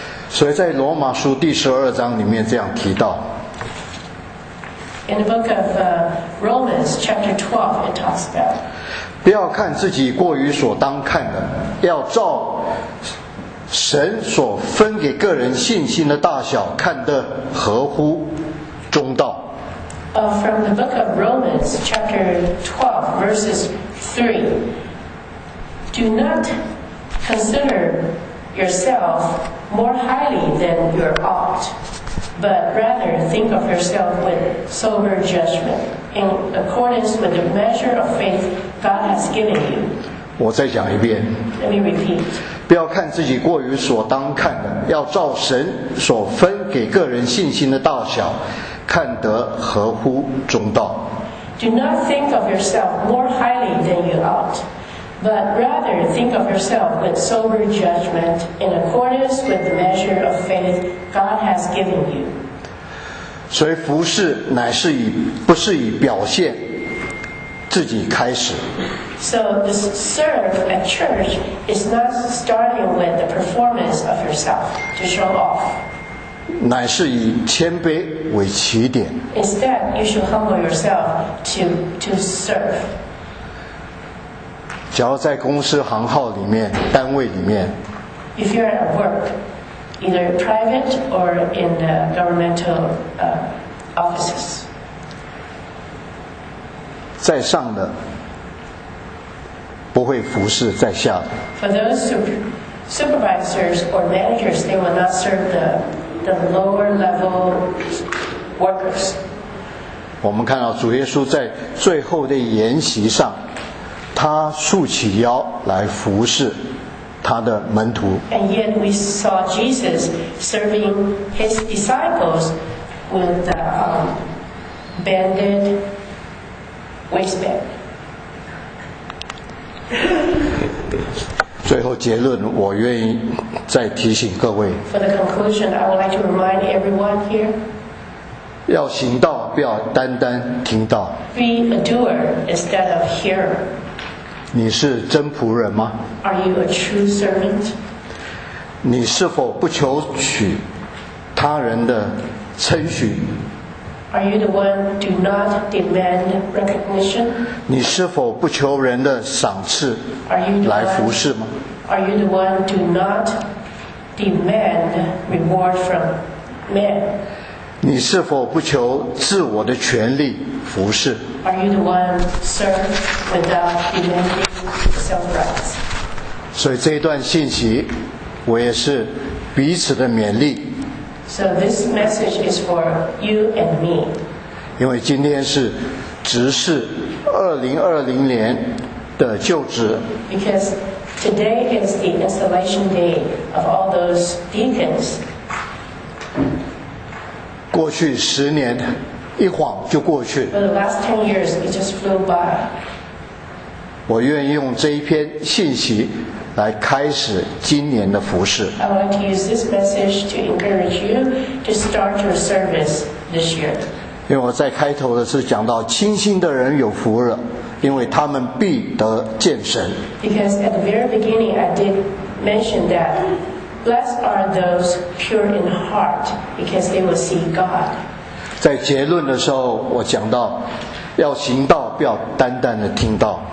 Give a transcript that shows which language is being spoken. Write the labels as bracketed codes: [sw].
[zh] 所以在罗马书第12章里面这样提到。 [en] In the book of Romans, chapter 12, it talks about. [zh] 不要看自己过于所当看的，要照神所分给个人信心的大小看得合乎中道。 [en] From the book of Romans, chapter 12, verses 3. Do not consider yourself more highly than you ought, but rather think of yourself with sober judgment, in accordance with the measure of faith God has given you. [zh] 我再讲一遍。 [en] Let me repeat. [zh] 不要看自己过于所当看的，要照神所分给个人信心的大小，看得合乎中道。 [en] Do not think of yourself more highly than you ought, but rather think of yourself with sober judgment in accordance with the measure of faith God has given you. [zh] 所以服事乃是以不是以表现自己开始。 [en] So to serve at church is not starting with the performance of yourself to show off. [zh] 乃是以谦卑为起点。 [en] Instead, you should humble yourself to serve. [zh] 假如在公司行号里面，单位里面。 [en] If you're at work, either private or in the governmental offices. [zh] 在上的不会服侍在下的。 [en] For those supervisors or managers, they will not serve the lower level workers. [zh] 我们看到主耶稣在最后的筵席上，他束起腰来服侍他的门徒。 [en] And yet we saw Jesus serving his disciples with the bended. [zh] 最后结论，我愿意再提醒各位。 [en] For the conclusion, I would like to remind everyone here. [zh] 要行道，不要单单听道。 [en] Be a doer instead of hearer. [zh] 你是真仆人吗？ [en] Are you a true servant? [zh] 你是否不求取他人的称许？ [en] Are you the one do not demand recognition? [zh] 你是否不求人的赏赐来服侍吗？ [en] Are you the one do not demand reward from men? [zh] 你是否不求自我的权利服侍？ [en] Are you the one serve without demanding self-rights? [zh] 所以这一段信息我也是彼此的勉励。 [en] So this message is for you and me. [zh] 因为今天是执事2020年的就职。 [en] Because today is the installation day of all those deacons. [zh] 过去十年一晃就过去。 [en] For the last 10 years, it just flew by. [zh] 我愿意用这一篇信息来开始今年的服事。 [en] I would like to use this message to encourage you to start your service this year. [zh] 因为我在开头的是讲到清心的人有福了，因为他们必得见神。 [en] Because at the very beginning I did mention that blessed are those pure in heart because they will see God. [zh] 在结论的时候我讲到要行道，不要单单的听道。